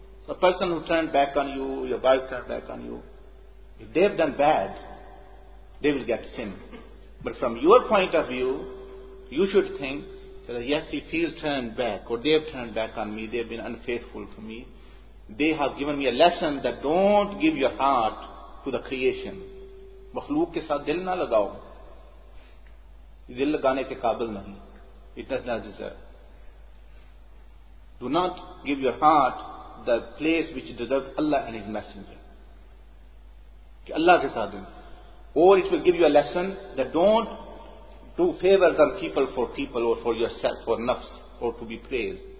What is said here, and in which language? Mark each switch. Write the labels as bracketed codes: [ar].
[en] A person who turned back on you, your wife turned back on you, if they have done bad, they will get sin. But from your point of view, you should think that yes, if he has turned back, or they have turned back on me, they have been unfaithful to me, they have given me a lesson that don't give your heart to the creation. [ur] مخلوق کے ساتھ دل نہ لگاؤ, دل لگانے کے قابل نہیں. [en] It does not deserve. Do not give your heart the place which deserves Allah and His Messenger. [ur] Ki Allah ke saath hai. [en] Or it will give you a lesson that don't do favors on people or for yourself, for nafs, or to be praised.